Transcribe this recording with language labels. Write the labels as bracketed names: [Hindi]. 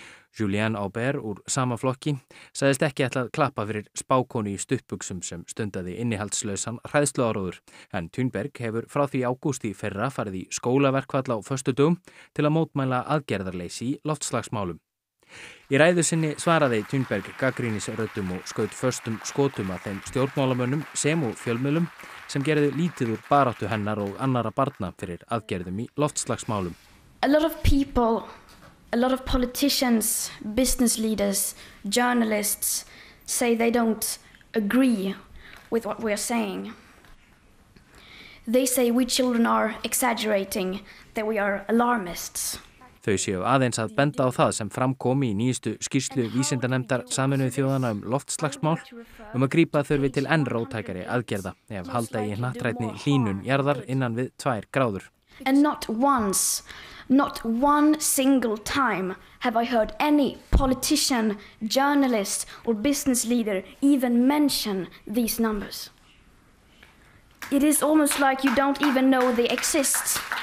[Icelandic] Julien Aubert úr sama flokki sagðist ekki ætla að klappa fyrir spákonu í stuttbuxum sem stundaði innihaldslausan hræðsluáróður, en Thunberg hefur frá því ágúst í fyrra farið í skólaverkfall á föstudögum til að mótmæla aðgerðarleysi í loftslagsmálum. Í ræðu sinni svaraði Thunberg gagnrýnisröddum og skaut föstum skotum að þeim stjórnmálamönnum sem og fjölmiðlum sem gerðu lítið úr baráttu hennar og annarra barna fyrir aðgerðum í loftslagsmálum. [English] A lot of people, a lot of politicians, business leaders, journalists, say they don't agree with what we are saying. They say we children are exaggerating, that we are alarmists. [Icelandic] Þau séu aðeins að benda á það sem framkomi í nýjustu skýrslu vísindanefndar Sameinuðu þjóðanna loftslagsmál að grípa þurfi til enn róttækari aðgerða ef halda í hnattrænni hlýnun jarðar innan við 2 gráður. [English] And not one single time have I heard any politician, journalist or business leader even mention these numbers. It is almost like you don't even know they exist.